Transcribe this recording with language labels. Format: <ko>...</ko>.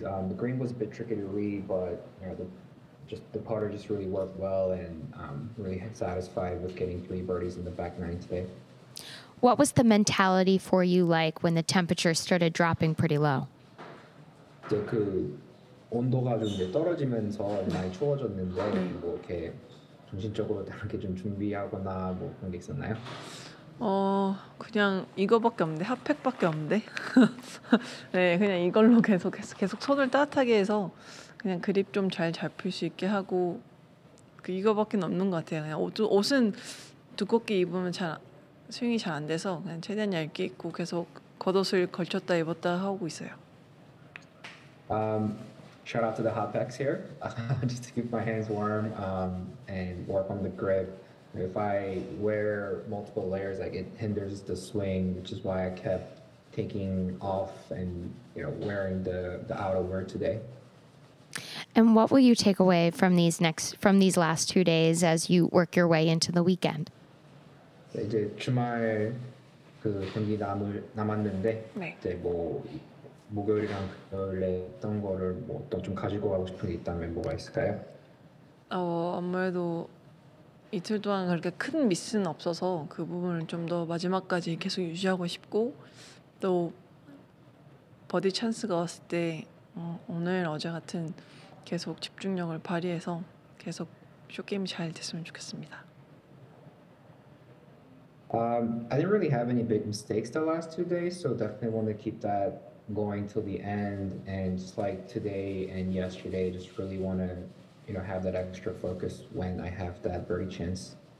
<en>The green was a bit tricky to read, but you know, the putter just really worked well and really satisfied with getting 3 birdies in the back nine today. What was the mentality for you like when the temperature started dropping pretty low?</en> <ko>이제 그 온도가 좀 떨어지면서 많이 추워졌는데 뭐 이렇게 정신적으로 다르게 좀 준비하거나 뭐 그런 게 있었나요? 그냥 이거밖에 없는데 핫팩밖에 없는데 네 그냥 이걸로 계속 손을 따뜻하게 해서 그냥 그립 좀 잘 잡힐 수 있게 하고 그 이거밖에 없는 것 같아요. 그냥 옷은 두껍게 입으면 잘 스윙이 잘 안 돼서 그냥 최대한 얇게 입고 계속 겉옷을 걸쳤다 입었다 하고 있어요.</ko> <en>Shout out to the hot packs here. Just to keep my hands warm and work on the grip. If I wear multiple layers, like it hinders the swing, which is why I kept taking off and you know wearing the outerwear today. And what will you take away from these last 2 days as you work your way into the weekend?</en> <ko>이제 주말 그 경기 남았는데 네. 이제 뭐 목요일이랑 금요일에 했던 거를 뭐 또 좀 가지고 가고 싶은 게 있다면 뭐가 있을까요? 아무래도 이틀 동안 그렇게 큰 미스는 없어서 그 부분을 좀 더 마지막까지 계속 유지하고 싶고 또 버디 찬스가 왔을 때 오늘 어제 같은 계속 집중력을 발휘해서 계속 쇼 게임이 잘 됐으면 좋겠습니다.</ko> <en>I didn't really have any big mistakes the last 2 days, so definitely want to keep that going till the end. And just like today and yesterday, just really want to, you know, have that extra focus when I have that birdie chance.</en>